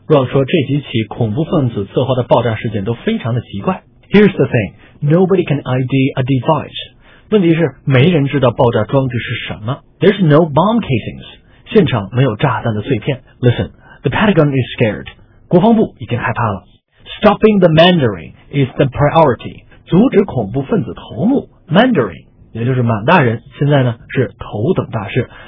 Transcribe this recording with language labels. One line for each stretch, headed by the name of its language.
Chinese: Rose 说这几起恐怖分子策划的爆炸事件都非常的奇怪。
English: Here's the thing, nobody can ID a device.
Chinese: 问题是没人知道爆炸装置是什么。
English: There's no bomb casings.
Chinese: 现场没有炸弹的碎片。
English: Listen, the Pentagon is scared.
Chinese: 国防部已经害怕了。
English: Stopping the Mandarin is the priority.
Chinese: 阻止恐怖分子头目 Mandarin也就是满大人，现在呢是头等大事。